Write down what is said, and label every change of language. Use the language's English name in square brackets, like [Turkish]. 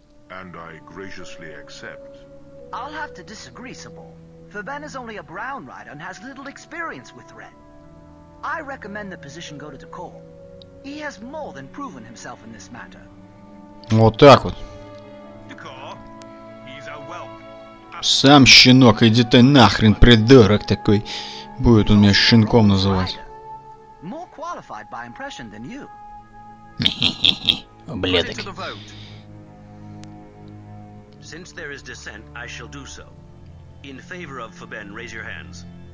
[English] And I graciously accept. I'll have to disagree, Sabol. For Ben is only a brown rider and has little experience with red. I recommend the position go to Decor. He has more than proven himself in this matter. [Russian] Вот так вот. [English] Decor, he's a whelp. [Russian] Сам щенок, иди ты нахрен, придурок такой. Будет он меня щенком называть. [English] More qualified by impression than you. [Russian] Ублюдок. [English] Since there is dissent, I shall do so. In favor of Faben, raise your hands.